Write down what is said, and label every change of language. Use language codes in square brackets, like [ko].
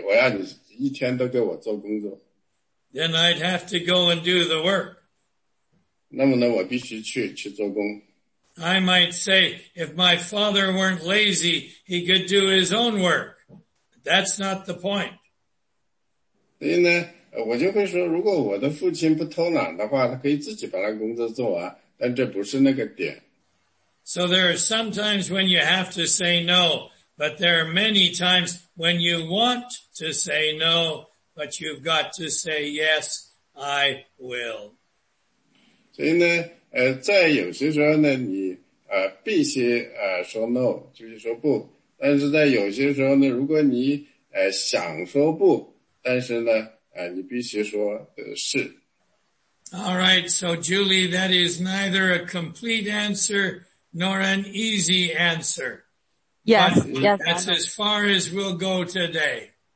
[zh] 所以如果他说，你来到我的工作室做工，我要你一天都给我做工作。 [en] Then I'd have to go and do the work. [zh] 那么呢，我必须去做工。 [en] I might say, if my father weren't lazy, he could do his own work. But that's not the point. [zh] 所以呢，我就会说，如果我的父亲不偷懒的话，他可以自己把他工作做完，但这不是那个点。 [en] So there are sometimes when you have to say no, but there are many times when you want to say no, but you've got to say yes, I will. [zh] 所以呢，在有些时候呢，你 必须说no，就是说不。但是在有些时候呢，如果你想说不，但是呢，你必须说是。 [en] All right, so Julie, that is neither a complete answer nor an easy answer. Yes, yes. That's as far as we'll go today.